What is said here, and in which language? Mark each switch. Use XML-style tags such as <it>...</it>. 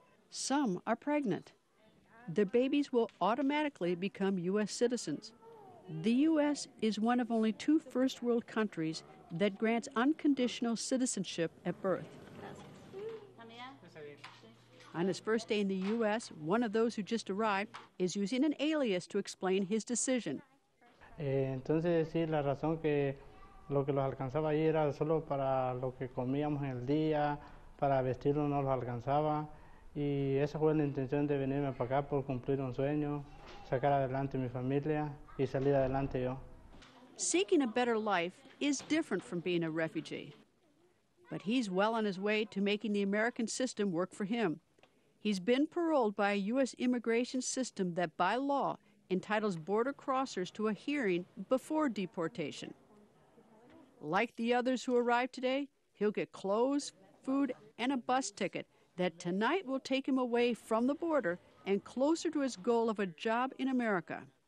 <en>Some are pregnant. Their babies will automatically become U.S. citizens. The U.S. is one of only two first world countries that grants unconditional citizenship at birth. On his first day in the U.S., one of those who just arrived is using an alias to explain his decision.</en> <es>Entonces, sí, la razón que lo que los alcanzaba ahí era solo para lo que comíamos en el día, para vestirnos no los alcanzaba, Y esa fue la intención de venirme para acá por cumplir un sueño, sacar adelante mi familia y salir adelante yo.</es> <en>Seeking a better life is different from being a refugee. But he's well on his way to making the American system work for him. He's been paroled by a U.S. immigration system that, by law, entitles border crossers to a hearing before deportation. Like the others who arrived today, he'll get clothes, food, and a bus ticket that tonight will take him away from the border and closer to his goal of a job in America.</en>